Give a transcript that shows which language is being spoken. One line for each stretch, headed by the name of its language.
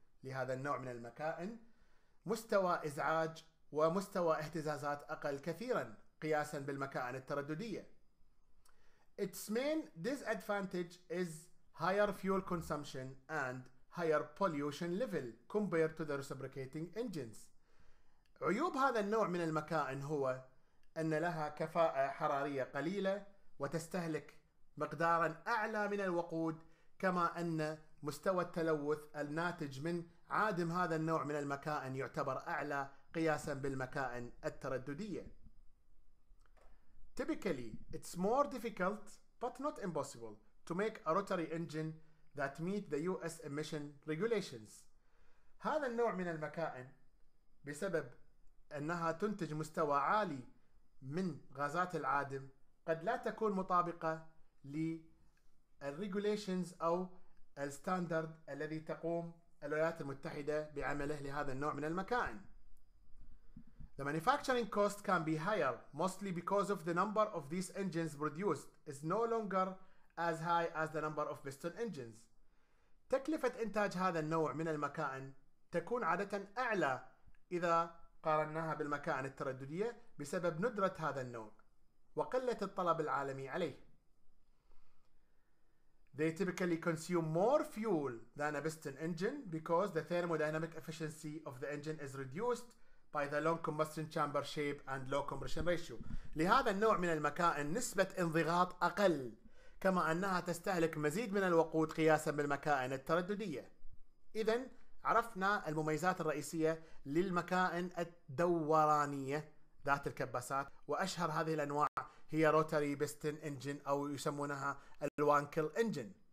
Arabic: لهذا النوع من المكائن مستوى إزعاج ومستوى اهتزازات أقل كثيرا قياسا بالمكائن الترددية.
English: Its main disadvantage is higher fuel consumption and higher pollution level compared to the reciprocating engines.
Arabic: عيوب هذا النوع من المكائن هو أن لها كفاءة حرارية قليلة وتستهلك مقدارا أعلى من الوقود، كما أن مستوى التلوث الناتج من عادم هذا النوع من المكائن يعتبر أعلى قياسا بالمكائن الترددية.
English: Typically, it's more difficult, but not impossible, to make a rotary engine that meet the US emission regulations.
Arabic: هذا النوع من المكائن بسبب أنها تنتج مستوى عالي من غازات العادم قد لا تكون مطابقة للregulations أو الستاندرد الذي تقوم الولايات المتحدة بعمله لهذا النوع من المكائن.
English: The manufacturing cost can be higher, mostly because of the number of these engines produced is no longer as high as the number of piston engines.
Arabic: تكلفة إنتاج هذا النوع من المكائن تكون عادة أعلى إذا قارناها بالمكائن الترددية بسبب ندرة هذا النوع وقلة الطلب العالمي عليه.
English: They typically consume more fuel than a piston engine because the thermodynamic efficiency of the engine is reduced by the long combustion chamber shape and low compression ratio.
Arabic: لهذا النوع من المكائن نسبة انضغاط أقل، كما أنها تستهلك مزيد من الوقود قياسا بالمكائن الترددية. إذن عرفنا المميزات الرئيسية للمكائن الدورانية ذات الكباسات، وأشهر هذه الأنواع هي روتري بيستن إنجن أو يسمونها الوانكل إنجن.